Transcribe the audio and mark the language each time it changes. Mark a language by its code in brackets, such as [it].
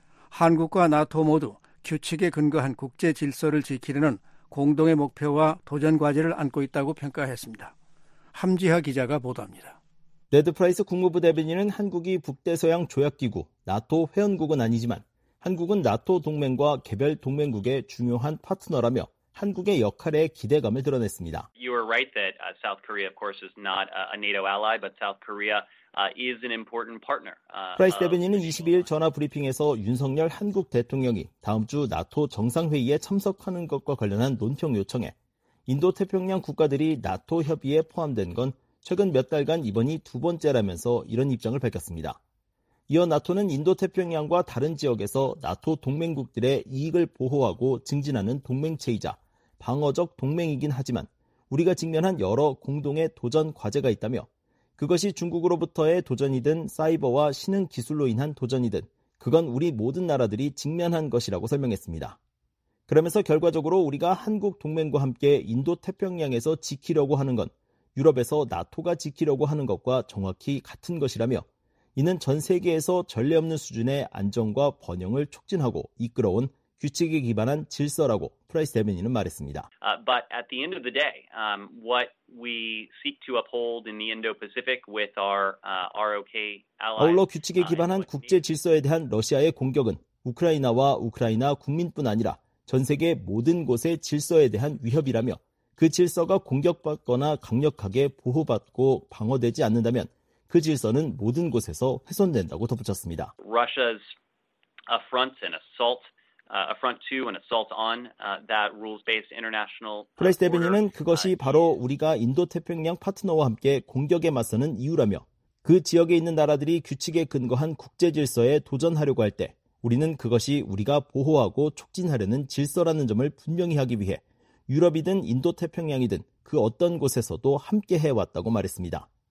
[ko] 한국과 나토 모두 규칙에 근거한 국제 질서를 지키려는 공동의 목표와 도전 과제를 안고 있다고 평가했습니다. 함지하 기자가 보도합니다. 네드 프라이스 국무부 대변인은 한국이 북대서양 조약기구 나토 회원국은 아니지만 한국은 나토 동맹과 개별 동맹국의 중요한 파트너라며 한국의 역할에 기대감을 드러냈습니다. [en] You are right that South Korea, of course, is not a NATO ally, but South Korea is an important partner. [ko] 프라이스 대변인은 22일 전화 브리핑에서 윤석열 한국 대통령이 다음 주 나토 정상회의에 참석하는 것과 관련한 논평 요청에 인도태평양 국가들이 나토 협의에 포함된 건 최근 몇 달간 이번이 두 번째라면서 이런 입장을 밝혔습니다. 이어 나토는 인도태평양과 다른 지역에서 나토 동맹국들의 이익을 보호하고 증진하는 동맹체이자 방어적 동맹이긴 하지만 우리가 직면한 여러 공동의 도전 과제가 있다며 그것이 중국으로부터의 도전이든 사이버와 신흥 기술로 인한 도전이든 그건 우리 모든 나라들이 직면한 것이라고 설명했습니다. 그러면서 결과적으로 우리가 한국 동맹과 함께 인도태평양에서 지키려고 하는 건 유럽에서 나토가 지키려고 하는 것과 정확히 같은 것이라며 이는 전 세계에서 전례 없는 수준의 안정과 번영을 촉진하고 이끌어온 규칙에 기반한 질서라고 프라이스 대변인은 말했습니다. [en] But at the end of the day, what we seek to uphold in the Indo-Pacific with our ROK allies. [ko] 아울러 규칙에 기반한 국제 질서에 대한 러시아의 공격은 우크라이나와 우크라이나 국민뿐 아니라 전 세계 모든 곳의 질서에 대한 위협이라며 그 질서가 공격받거나 강력하게 보호받고 방어되지 않는다면 그 질서는 모든 곳에서 훼손된다고 덧붙였습니다. [en] Russia's affront and assault, affront to and assault on that rules-based international. [ko] 프라이스 대변인은 그것이 바로 우리가 인도태평양 파트너와 함께 공격에 맞서는 이유라며 그 지역에 있는 나라들이 규칙에 근거한 국제 질서에 도전하려고 할 때 우리는 그것이 우리가 보호하고 촉진하려는 질서라는 점을 분명히 하기 위해 유럽이든 인도태평양이든 그 어떤 곳에서도 함께 해왔다고 말했습니다.